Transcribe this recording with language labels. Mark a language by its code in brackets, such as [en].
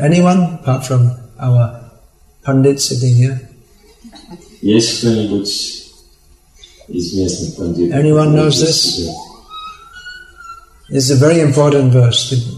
[en] Anyone apart from our pundits sitting here? [ru] Yes, кто-нибудь из местных пандитов. [en] Anyone knows this? It's a very important verse.